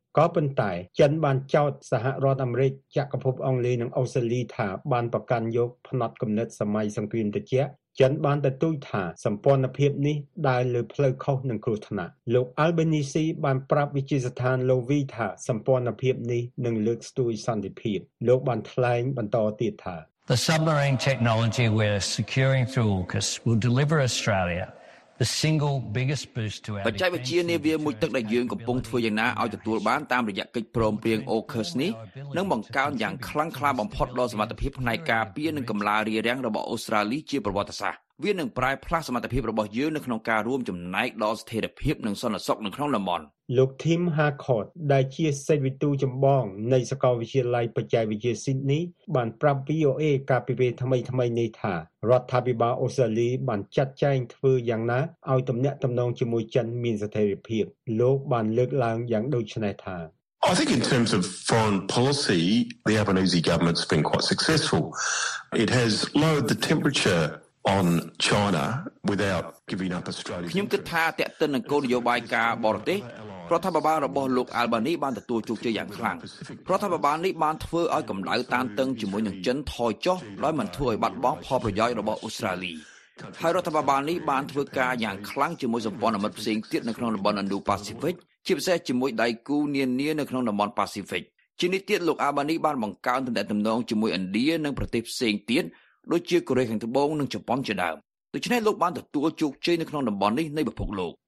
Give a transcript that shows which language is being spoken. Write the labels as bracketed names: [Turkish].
[Khmer] ក៏ប៉ុន្តែចិនបានចោទសហរដ្ឋអាមេរិកចក្រភពអង់គ្លេសនិងអូស្ត្រាលីថាបានប្រកាន់យកផ្នត់គំនិតសម័យសង្គ្រាមត្រជាក់ចិនបានទទូចថាសម្ព័ន្ធភាពនេះដើរលើផ្លូវខុសនិងគ្រោះថ្នាក់លោកអាល់បានីស៊ីបានប្រាប់វិទ្យាស្ថានលូវីថាសម្ព័ន្ធភាពនេះនឹងលើកស្ទួយសន្តិភាពលោកបានថ្លែងបន្តទៀតថា [English] The submarine technology we're securing through AUKUS will deliver AustraliaThe single biggest boost to our defense. [Khmer] បច្ចេកវិទ្យានាវាមួយទឹកដែលយើងកំពុងធ្វើយ៉ាងណាឲ្យទទួលបានតាមរយៈកិច្ចព្រមព្រៀង AUKUS នេះនឹងបង្កើនយ៉ាងខ្លាំងក្លាបំផុតដល់សមត្ថភាពផ្នែកការពារនិងកម្លាំងរារាំងរបស់អូស្ត្រាលីជាប្រវត្តិសាស្ត្រវានឹងប្រែផ្លាស់សមត្ថភាពរបស់យើងនៅក្នុងការរួមចំណែកដល់ស្ថិរភាពនិងសន្តិសុខនៅក្នុងតំបន់លោក Tim Harcourt ដែលជាសេចក្ដីវិទូចម្បងនៃសាកលវិទ្យាល័យបច្ចេកវិទ្យា Sydney បានប្រាប់ VOA កាលពីពេលថ្មីៗនេះថារដ្ឋាភិបាលអូស្ត្រាលីបានចាត់ចែងធ្វើយ៉ាងណាឲ្យទំនាក់ទំនងជាមួយចិនមានស្ថិរភាពលោកបានលើកឡើងយ៉ាងដូចនេះថា [English] I think in terms of foreign policy, the Albanese government's been quite successful. It has lowered the temperature on China without giving up Australia. [Khmer] ខ្ញុំគិតថាតេតិននឹងគោលនយោបាយការបរទេសរដ្ឋាភិបាលរបស់លោកអាល់បានីបានទទួលជោគជ័យយ៉ាងខ្លាំងរដ្ឋាភិបាលនេះបានធ្វើឲ្យកម្ដៅតានតឹងជាមួយនឹងចិនថយចុះដោយមិនធ្វើឲ្យបាត់បង់ផលប្រយោជន៍របស់អូស្ត្រាលី ហើយរដ្ឋាភិបាលនេះបានធ្វើការយ៉ាងខ្លាំងជាមួយសម្ព័ន្ធមិត្តផ្សេងទៀតនៅក្នុងតំបន់ Indo Pacific ជាពិសេសជាមួយដៃគូនានានៅក្នុងតំបន់ Pacific ជានេះទៀតលោកអាល់បានីបានបង្កើនទំនាក់ទំនងជាមួយឥណ្ឌានិងប្រទេសផ្សេងទៀតដូចជាកូរ៉េខាងត្បូងនិងជប៉ុនជាដើមដូច្នេះលោកបានទទួលជោគជ័យនៅក្នុងតំបន់នេះនៃពិភពលោក